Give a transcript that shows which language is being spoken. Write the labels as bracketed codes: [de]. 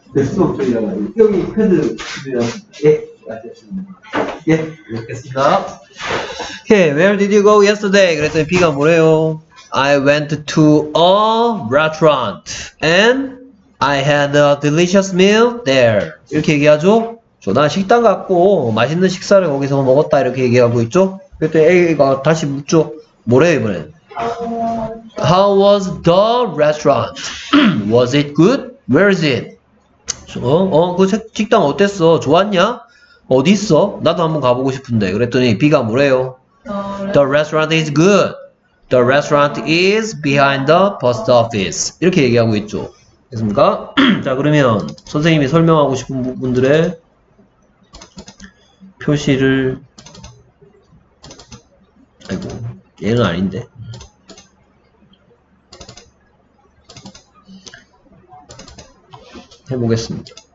[ko] 수업 중이라고 하는데, 여기 패드 준비하셨습니다. 예, 알겠습니다. [en] 예, Where did you go yesterday? [ko] 그랬더니 B가 뭐래요? [en] I went to a restaurant and I had a delicious meal there. [ko] 이렇게 얘기하죠? 저난 식당 갔고 맛있는 식사를 거기서 먹었다 이렇게 얘기하고 있죠? 그랬더니 A가 다시 묻죠. 뭐래 이번엔? [en] I How was the restaurant? Was it good? Where is it? [ko] 그 식당 어땠어? 좋았냐? 어디 있어? 나도 한번 가보고 싶은데. 그랬더니 B가 뭐래요? [en] The restaurant is good. The restaurant is behind the post office. [ko] 이렇게 얘기하고 있죠. 됐습니까? 자, 그러면 선생님이 설명하고 싶은 부분들의 표시를 아이고 얘는 아닌데 해보겠습니다.